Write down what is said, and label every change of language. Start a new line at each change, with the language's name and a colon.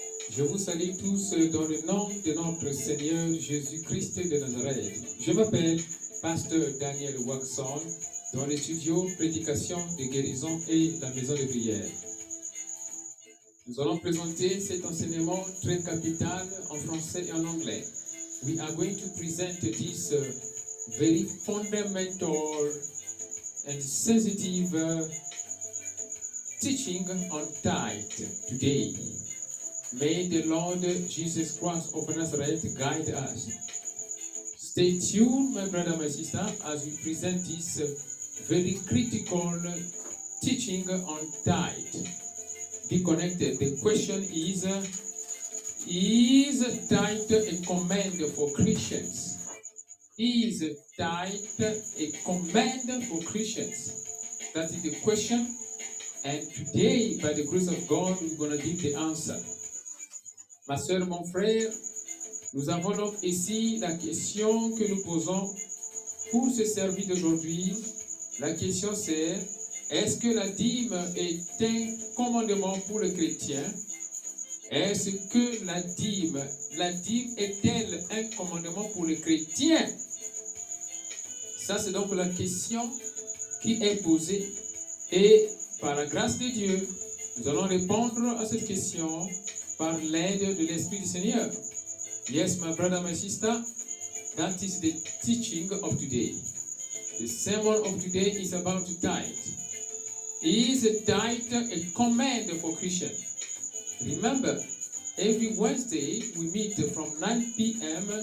French: Je vous salue tous dans le nom de notre Seigneur Jésus-Christ de Nazareth. Je m'appelle Pasteur Daniel Waxon dans le studio Prédication de guérison et la maison de prière. Nous allons présenter cet enseignement très capital en français et en anglais.
English: We are going to present this very fundamental and sensitive teaching on tithe today. May the Lord Jesus Christ of Nazareth guide us. Stay tuned, my brother, my sister, as we present this very critical teaching on tithe. Be connected. The question is tithe a command for Christians? Is tithe a command for Christians? That is the question. And today, by the grace of God, we're going to give the answer.
French: Ma sœur, mon frère, nous avons donc ici la question que nous posons pour ce service d'aujourd'hui. La question c'est, est-ce que la dîme est un commandement pour le chrétien? Est-ce que la dîme est-elle un commandement pour le chrétien? Ça c'est donc la question qui est posée. Et par la grâce de Dieu, nous allons répondre à cette question par l'aide de l'Esprit du Seigneur.
English: Yes, my brother, my sister, that is the teaching of today. The sermon of today is about tithe. Is tithe a command for Christians? Remember, every Wednesday we meet from 9 p.m.